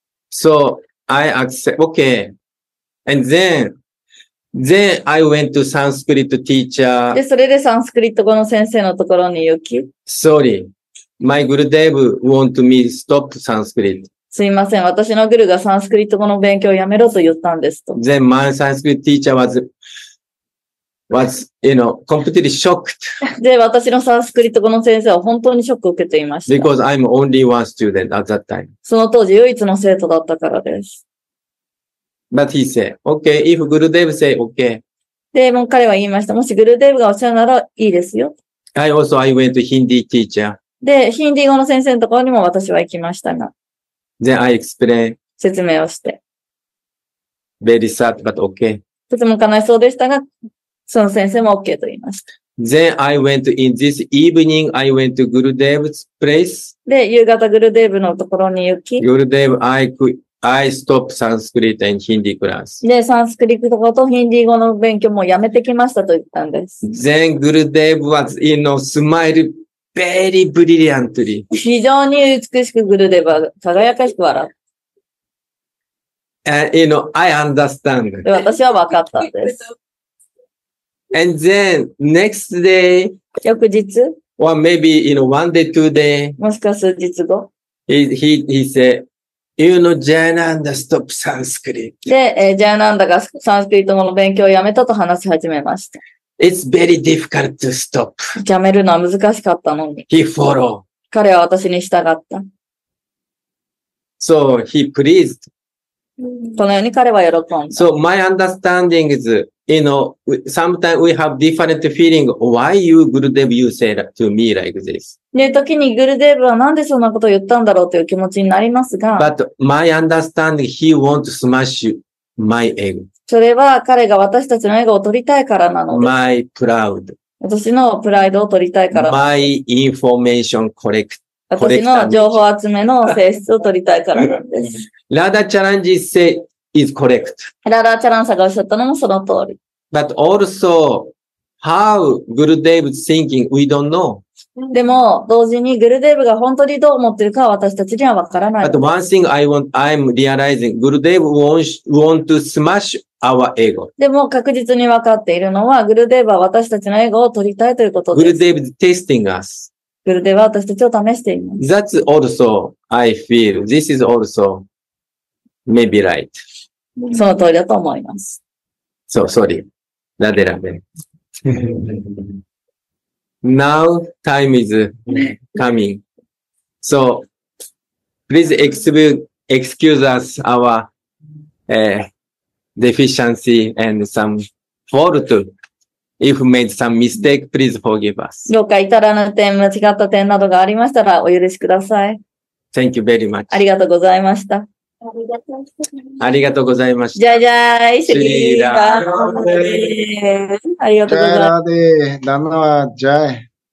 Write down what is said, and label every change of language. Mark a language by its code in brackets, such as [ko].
[en] So, I accept, okay. And then I went to Sanskrit teacher. [ja] で、それでサンスクリット語の先生のところに行き。 [en] Sorry. My Gurudev want me stop Sanskrit. [ja] すいません、私のグルがサンスクリット語の勉強をやめろと言ったんですと。 [en] Then my Sanskrit teacher was you know completely shocked. [ja] で、私のサンスクリット語の先生は本当にショックを受けていました。 [en] Because I'm only one student at that time. [ja] その当時唯一の生徒だったからです。 [en] But he said, okay, if Gurudev say okay. [ja] で、もう彼は言いました。もしグルデーブがおっしゃるならいいですよ。 [en] I went to Hindi teacher. [ja] で、ヒンディー語の先生のところにも私は行きましたが。 [en] Then I explain. [ja] 説明をして。 [en] Very sad, but okay. [ja] とても悲しそうでしたが、その先生も OK と言いました。 [en] Then I went in this evening, I went to Gurudev's place. [ja] で、夕方グルデーブのところに行き。 [en] Gurudev, I stopped Sanskrit and Hindi class. [ja] で、サンスクリット語とヒンディー語の勉強もやめてきましたと言ったんです。 [en] Then Gurudev was in a smile. Very brilliantly. [ja] 非常に美しくグルデバ輝かしく笑った。 [en] And, you know, I understand. [ja] 私は分かったんです。 [en] And then, next day, [ja] 翌日 [en] or maybe, you know, one day, two day, [ja] もしか数日後 [en] he said, you know, Jayananda stop Sanskrit. [ja] で、Jayananda がサンスクリット語の勉強をやめたと話し始めました。 [en] It's very difficult to stop. [ja] やめるのは難しかったのに。 [en] He follow. [ja] 彼は私に従った。 [en] So he pleased. [ja] このように彼は喜んだ。 [en] So my understanding is, you know, sometimes we have different feeling. Why you Gurudev you say that to me like this? [ja] ね、時にグルデーブはなんでそんなことを言ったんだろうという気持ちになりますが。 [en] But my understanding, he want to smash my ego. [ja] それは彼が私たちのエゴを取りたいからなのです。 [en] My proud. [ja] 私のプライドを取りたいから。 [en] My information collect. [ja] 私の情報集めの性質を取りたいからなんです。 [en] ラダチャランジ say is correct. [ja] ラダチャランさんがおっしゃったのもその通り。 [en] But also, how Gurudev is thinking, we don't know. [ja] でも、同時に、グルデーブが本当にどう思ってるかは私たちにはわからない。 [en] But one thing I want, I'm realizing, グルデーブ want to smash our ego. [ja] でも、確実にわかっているのは、グルデーブは私たちのエゴを取りたいということです。 [en] グルデーブ is testing us. [ja] グルデーブは私たちを試しています。 [en] That's also, I feel, this is also, maybe right. [ja] その通りだと思います。 [en] So, sorry. ラデラベ。 Now time is coming. So please excuse us our deficiency and some fault. If made some mistake, please forgive us. [ja] どうか至らぬ点、間違った点などがありましたらお許しください。 [en] Thank you very much. [ja] ありがとうございました。ありがとうございました。じゃじゃーい、シリーダー。ありがとうございます。じゃあ、ラーデー、ダムはジャイ。